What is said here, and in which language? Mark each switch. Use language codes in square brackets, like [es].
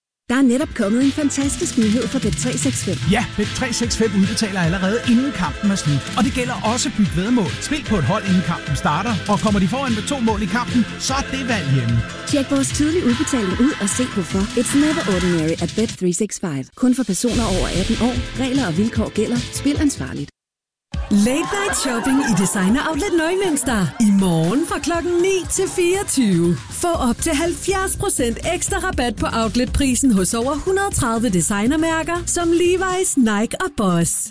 [da] Der er netop kommet en fantastisk nyhed fra Bet365. Ja, Bet365 udbetaler allerede inden kampen er slut. Og det gælder også byg vedmål. Spil på et hold, inden kampen starter. Og kommer de foran med to mål i kampen, så er det valg hjemme. Tjek vores tidlige udbetaling ud og se hvorfor. [en] It's never ordinary at Bet365. [da] Kun for personer over 18 år. Regler og vilkår gælder. Spil ansvarligt. Late Night Shopping i Designer Outlet Neumünster. I morgen fra klokken 9 til 24. Få op til 70% ekstra rabat på outletprisen hos over 130 designermærker som Levi's, Nike og Boss.